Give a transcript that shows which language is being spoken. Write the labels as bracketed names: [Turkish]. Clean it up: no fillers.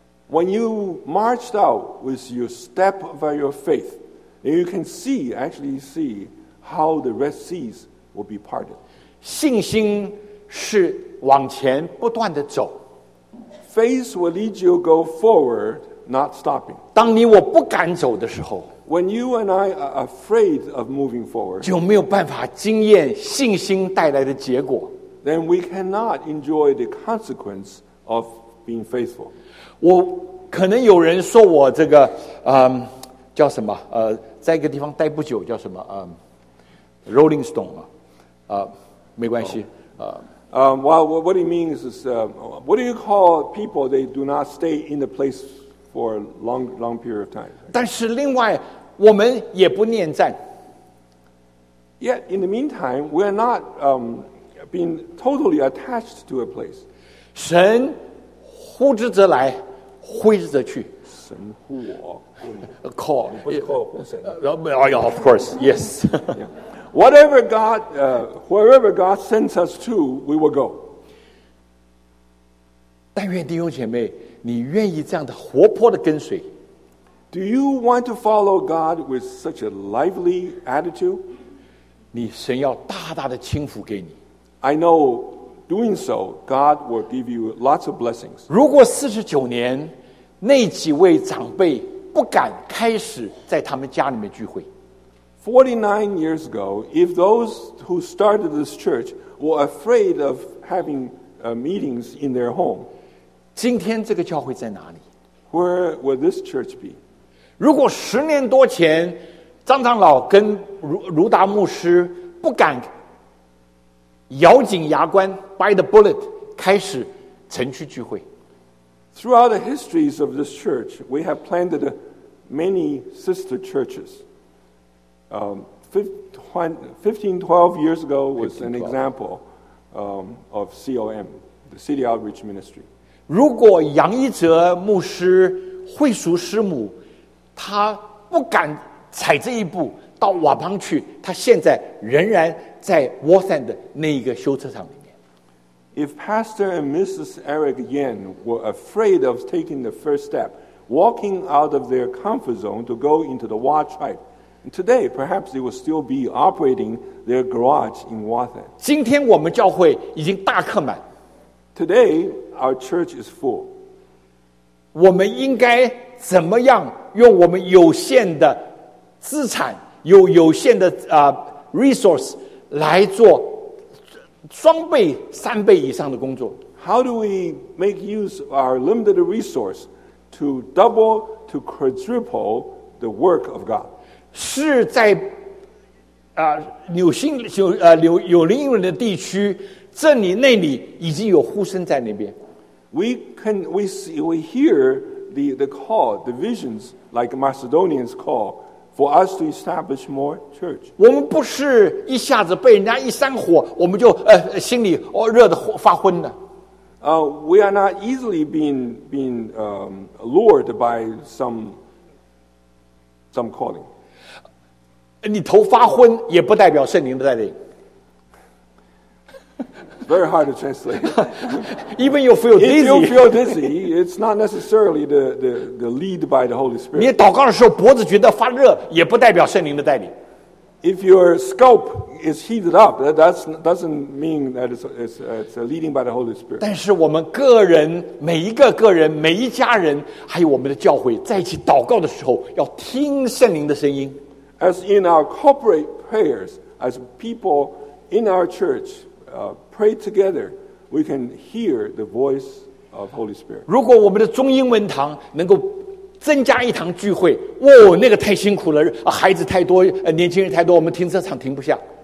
[English] When you marched out with your step of your faith, you can see how the Red Seas will be parted. [Chinese] 信心是往前不断的走。 [English] Faith will lead you go forward, not stopping. [Chinese] 当你我不敢走的时候。 [English] When you and I are afraid of moving forward, [Chinese] 就没有办法经验信心带来的结果。 [English] Then we cannot enjoy the consequence of being faithful. [Chinese] 我可能有人说我这个，叫什么？在一个地方待不久，叫什么？ [English] Rolling Stone [Chinese] 嘛，没关系。 [English] What do you mean is, what do you call people they do not stay in the place? For a long period of time. [Chinese] 但是另外，我们也不念战。 [English] Yet in the meantime, we are not being totally attached to a place. [Chinese] 神呼之则来，挥之则去。神呼我。 [English] Call. [Chinese] 你不是 call 呼神。 [English] Oh yeah, of course, yes. Yeah. Whatever God, wherever God sends us to, we will go. [Chinese] 但愿弟兄姐妹。你愿意这样的活泼的跟随 [English] ？Do you want to follow God with such a lively attitude？ [Chinese] 你神要大大的倾福给你。 [English] I know doing so, God will give you lots of blessings. [Chinese] 如果四十九年那几位长辈不敢开始在他们家里面聚会 [English] ，49 years ago, if those who started this church were afraid of having meetings in their home。 [Chinese] 今天这个教会在哪里 [English] ？Where will this church be？ [Chinese] 如果十年多前张长老跟卢达牧师不敢咬紧牙关 ， [English] by the bullet [Chinese] 开始城区聚会 [English] ，Throughout the histories of this church, we have planted many sister churches. 12 years ago was an example of COM, the City Outreach Ministry. [Chinese] 如果杨一哲牧师会熟师母他不敢踩这一步到瓦邦去他现在仍然在 Worthend 那一个修车厂里面 [English] If Pastor and Mrs. Eric Yen were afraid of taking the first step walking out of their comfort zone to go into the watch height today perhaps they will still be operating their garage in Worthend [Chinese] 今天我们教会已经大客满 [English] Today, our church is full. [Chinese] 我们应该怎么样用我们有限的资产，有限的resource 来做双倍、三倍以上的工作 [English] ？How do we make use of our limited resource to double, to quadruple the work of God? [Chinese] 是在纽西兰的地区。这里那里已经有呼声在那边。 [English] We hear the call, the visions like Macedonians call for us to establish more church. [Chinese] 我们不是一下子被人家一煽火，我们就心里热得发昏了。 [English] we are not easily being lured by some calling. [Chinese] 你头发昏也不代表圣灵的带领。 [English] Very hard to translate. Even if you feel dizzy, if you feel dizzy, it's not necessarily the lead by the Holy Spirit. [Chinese] 你祷告的时候脖子觉得发热，也不代表圣灵的带领。 [English] If your scalp is heated up, that doesn't mean that it's leading by the Holy Spirit. [Chinese] 但是我们个人每一个个人每一家人还有我们的教会在一起祷告的时候，要听圣灵的声音。 [English] As in our corporate prayers, as people in our church. Pray together, we can hear the voice of Holy Spirit. [Chinese] 如果我们的中英文堂能够增加一堂聚会，哦，那个太辛苦了，孩子太多，年轻人太多，我们停车场停不下。